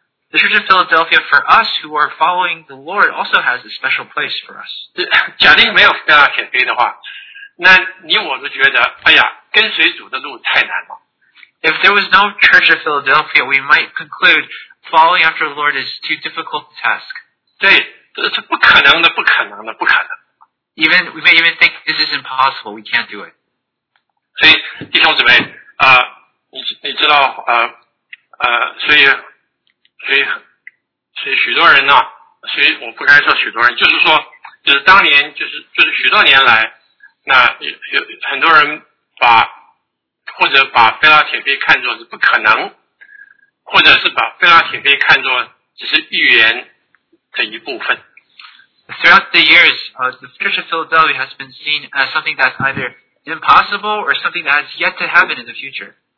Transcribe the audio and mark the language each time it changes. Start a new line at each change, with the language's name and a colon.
English: The Church of Philadelphia for us who are following the Lord also has a special place for us.
Chinese: 假定没有菲拉铁菲的话，那你我都觉得，哎呀，跟随主的路太难了。
English: If there was no Church of Philadelphia, we might conclude following after the Lord is too difficult a task.
Chinese: 对，这是不可能的，不可能的，不可能。
English: We may even think this is impossible. We can't do it.
Chinese: 所以弟兄姊妹，你知道，所以许多人呢，所以我不该说许多人，就是当年，就是许多年来，那有很多人把。或者把菲拉铁菲看作是不可能，或者是把菲拉铁菲看作只是预言的一部分。
English: Throughout the years, the Church of Philadelphia has been seen as something that's either impossible or something that's yet to happen in the future.